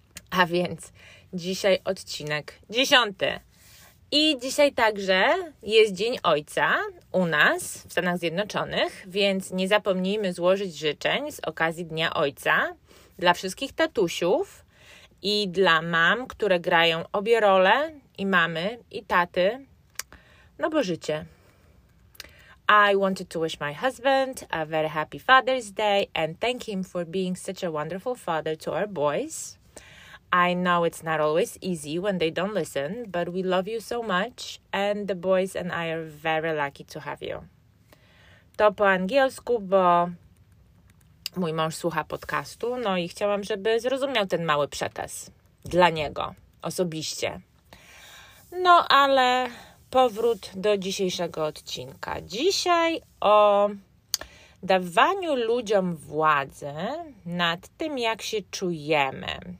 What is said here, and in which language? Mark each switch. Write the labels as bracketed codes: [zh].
[pl] A więc dzisiaj odcinek 10. I dzisiaj także jest Dzień Ojca u nas w Stanach Zjednoczonych, więc nie zapomnijmy złożyć życzeń z okazji Dnia Ojca dla wszystkich tatusiów i dla mam, które grają obie role, i mamy, i taty, no bo życie. [en] I wanted to wish my husband a very happy Father's Day and thank him for being such a wonderful father to our boys. I know it's not always easy when they don't listen, but we love you so much and the boys and I are very lucky to have you. [pl] To po angielsku, bo mój mąż słucha podcastu, no i chciałam, żeby zrozumiał ten mały przekaz dla niego osobiście. No ale powrót do dzisiejszego odcinka. Dzisiaj o dawaniu ludziom władzy nad tym, jak się czujemy.